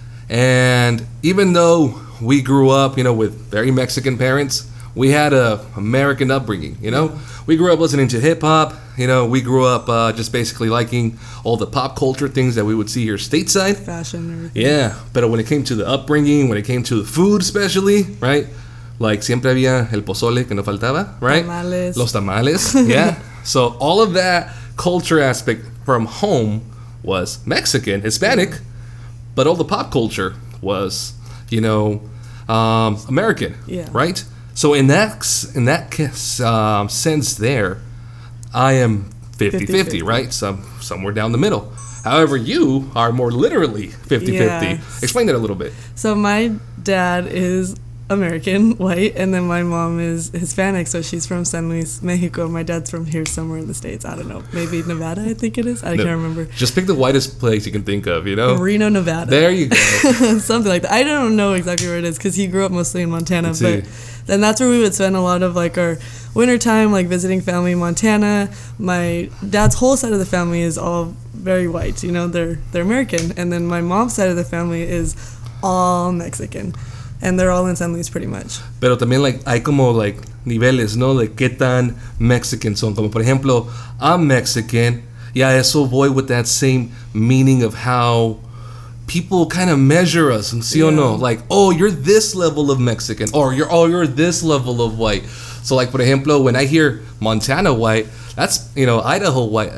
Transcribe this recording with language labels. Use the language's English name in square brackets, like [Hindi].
[English] And even though we grew up, you know, with very Mexican parents, we had a American upbringing, you know? We grew up listening to hip-hop, you know, we grew up just basically liking all the pop culture things that we would see here stateside. Fashion and everything. Yeah, but when it came to the upbringing, when it came to the food especially, right? [Spanish] Like, siempre había el pozole que no faltaba, right? Tamales. Los tamales, yeah. [English] So all of that culture aspect from home was Mexican, Hispanic, but all the pop culture was, you know, American, yeah. Right? So in that case, sense there, I am 50-50, right? Somewhere down the middle. However, you are more literally 50-50. Yeah. Explain that a little bit. So my dad is American, white, and then my mom is Hispanic, so she's from San Luis, Mexico. My dad's from here somewhere in the States. I don't know. Maybe Nevada, I think it is. I can't remember. Just pick the whitest place you can think of, you know? Reno, Nevada. There you go. Something like that. I don't know exactly where it is because he grew up mostly in Montana, but... Then that's where we would spend a lot of like our winter time, like visiting family in Montana. My dad's whole side of the family is all very white, you know, they're American. And then my mom's side of the family is all Mexican. And they're all in San Luis pretty much. [Spanish] Pero también like hay como like niveles, ¿no? De qué tan Mexican son. Como por ejemplo, [English] I'm Mexican. Yeah, I also boy with that same meaning of how people kind of measure us, [Spanish] ¿sí o no? [English] Like, oh, you're this level of Mexican, or you're this level of white. So, like, [Spanish] por ejemplo, [English] when I hear Montana white, that's, you know, Idaho white.